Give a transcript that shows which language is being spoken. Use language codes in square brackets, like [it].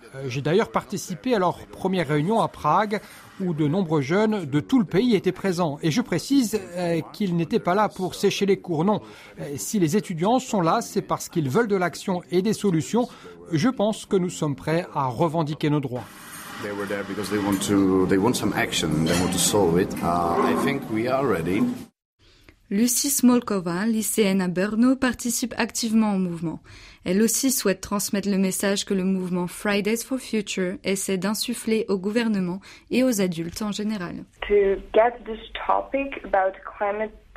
[fr] J'ai d'ailleurs participé à leur première réunion à Prague, où de nombreux jeunes de tout le pays étaient présents. Et je précise qu'ils n'étaient pas là pour sécher les cours, non. Si les étudiants sont là, c'est parce qu'ils veulent de l'action et des solutions. Je pense que nous sommes prêts à revendiquer nos droits. [en] They were there because they want some action, they want to solve it. I think we are ready. [fr] Lucie Smolkova, lycéenne à Brno, participe activement au mouvement. Elle aussi souhaite transmettre le message que le mouvement Fridays for Future essaie d'insuffler au gouvernement et aux adultes en général. [en] To get this topic about climate.